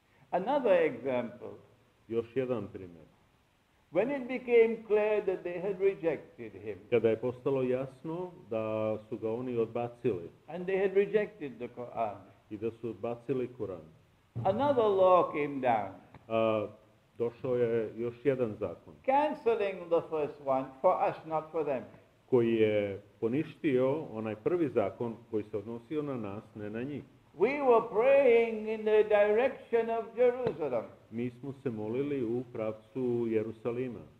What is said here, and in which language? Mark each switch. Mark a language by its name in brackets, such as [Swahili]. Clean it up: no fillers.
[English] Another example. [Serbian] Još jedan primjer. [English] When it became clear that they had rejected him. [Serbian] Kada je postalo jasno da su ga oni odbacili. [English] And they had rejected the Quran. [Serbian] I da su odbacili Kur'an. [English] Another law came down. [Serbian] Došao je još jedan zakon. [English] Cancelling the first one for us, not for them. [Serbian] Koji je poništio onaj prvi zakon koji se odnosio na nas, ne na njih. [English] We were praying in the direction of Jerusalem. [Serbian] Mi smo se molili u pravcu Jerusalima.